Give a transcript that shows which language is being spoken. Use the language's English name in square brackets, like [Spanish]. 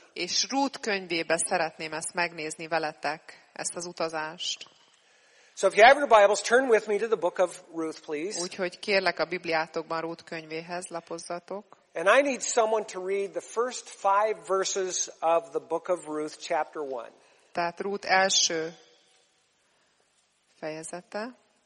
[Hungarian] És Rút könyvébe szeretném ezt megnézni veletek, ezt az utazást. [English] So if you have your Bibles, turn with me to the book of Ruth, please. [Hungarian] Úgyhogy kérlek a Bibliátokban Rút könyvéhez lapozzatok. [English] And I need someone to read the first five verses of the book of Ruth, chapter 1. [Hungarian] Tehát Ruth első fejezete.